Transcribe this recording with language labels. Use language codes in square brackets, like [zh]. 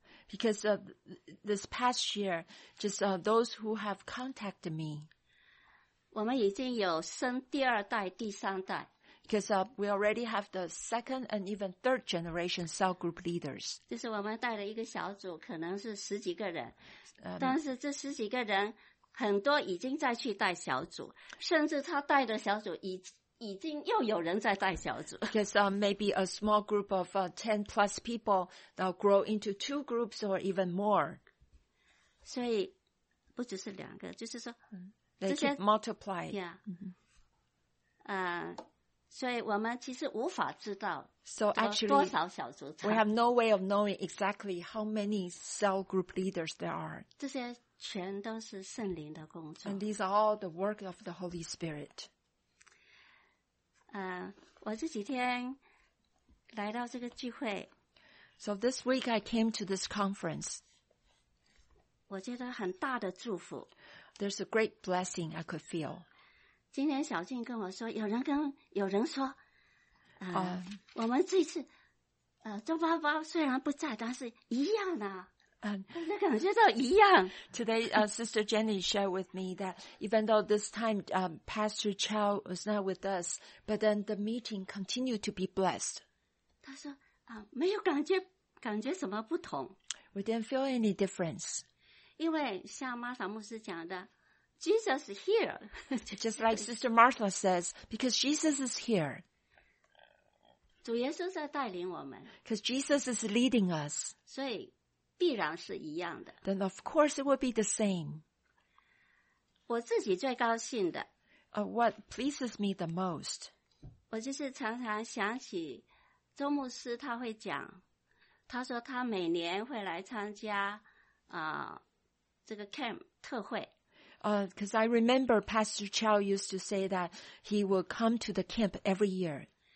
[en] Because of this past year, just those who have contacted me. [zh] 我们已经有生第二代、第三代。 [en] Because we already have the second and even third generation cell group leaders. [zh] 就是我们带了一个小组，可能是十几个人，但是这十几个人很多已经在去带小组，甚至他带的小组已经又有人在带小组。 [en] Because maybe a small group of 10 plus people now grow into two groups or even more. [zh] 所以不只是两个，就是说 [en] They keep multiplying. Yeah. [zh] 所以我们其实无法知道 [en] So actually, [zh] 多少小组长。 [en] We have no way of knowing exactly how many cell group leaders there are. [zh] 这些全都是圣灵的工作。 [en] And these are all the work of the Holy Spirit. [zh] 我这几天来到这个聚会。 [en] So this week I came to this conference. [zh] 我觉得很大的祝福。 [en] There's a great blessing I could feel. [zh] 今天小静跟我说，有人说，我们这次，周爸爸虽然不在，但是一样的。那感觉到一样。 [en] Today, Sister Jenny shared with me that even though this time, Pastor Chow was not with us, but then the meeting continued to be blessed. [zh] 他说，没有感觉什么不同。 [en] We didn't feel any difference. [zh] 因为像玛莎牧师讲的， [en] Jesus is here. Just like Sister Martha says, because Jesus is here. [zh] 主耶稣在带领我们。 [en] Because Jesus is leading us. [zh] 所以必然是一样的。 [en] Then of course it would be the same. [zh] 我自己最高兴的。 [en] What pleases me the most? [zh] 我就是常常想起周牧师他会讲，他说他每年会来参加这个 camp 特会。 [en] Because I remember Pastor Chow used to say that he would come to the camp every year.